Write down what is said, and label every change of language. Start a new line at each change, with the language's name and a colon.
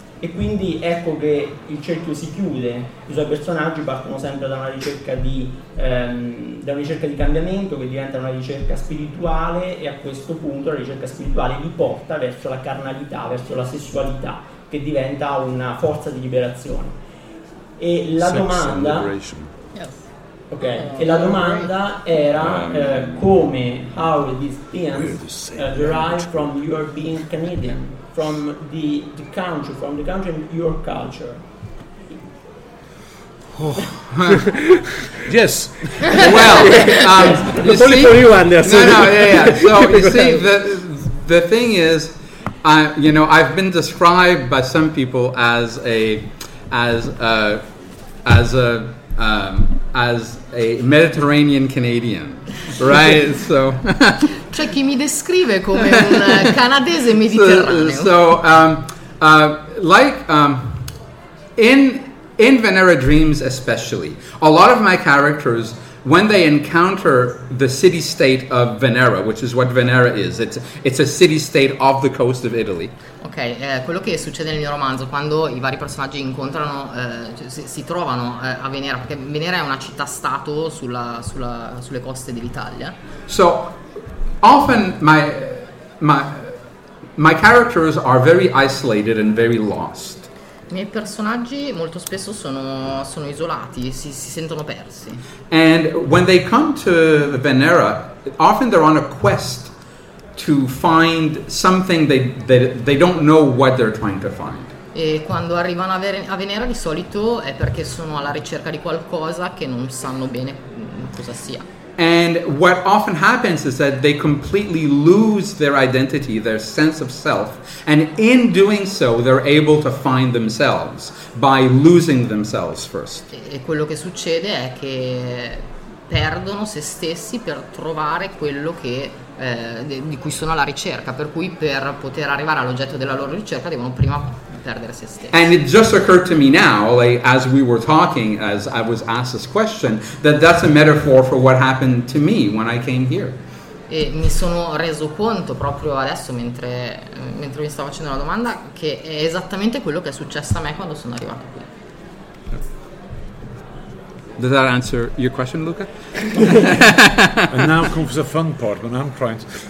Italian: E quindi ecco che il cerchio si chiude, i suoi personaggi partono sempre da una ricerca di cambiamento, che diventa una ricerca spirituale, e a questo punto la ricerca spirituale li porta verso la carnalità, verso la sessualità, che diventa una forza di liberazione. E la domanda era come,
English: how this being derived from your being Canadian, from the country, from the country and your culture. Yes. Well, it's only for you, Anders. No. So you see, the thing is, I've been described by some people as a Mediterranean Canadian, right? So
Italian: c'è chi mi descrive come un canadese mediterraneo.
English: In Venera Dreams especially, a lot of my characters, when they encounter the city-state of Venera, which is what Venera is, it's a city-state of the coast of Italy.
Italian: Ok, quello che succede nel mio romanzo, quando i vari personaggi incontrano, si trovano a Venera, perché Venera è una città-stato sulle coste dell'Italia.
English: So, often my characters are very isolated and very lost.
Italian: I miei personaggi molto spesso sono isolati, si sentono persi.
English: And when they come to Venera, often they're on a quest to find something they don't know what they're trying to find.
Italian: E quando arrivano a Venera, di solito è perché sono alla ricerca di qualcosa che non sanno bene cosa sia.
English: And what often happens is that they completely lose their identity, their sense of self, and in doing so they're able to find themselves by losing themselves first.
Italian: E quello che succede è che perdono se stessi per trovare quello che di cui sono alla ricerca, per cui per poter arrivare all'oggetto della loro ricerca devono prima perdere se stessi.
English: And it just occurred to me now, like, as we were talking, as I was asked this question, that that's a metaphor for what happened to me when I came here.
Italian: E mi sono reso conto proprio adesso mentre mi stavo facendo la domanda che è esattamente quello che è successo a me quando sono arrivato qui.
English: Does that answer your question, Luca? And now comes the fun part when I'm trying to.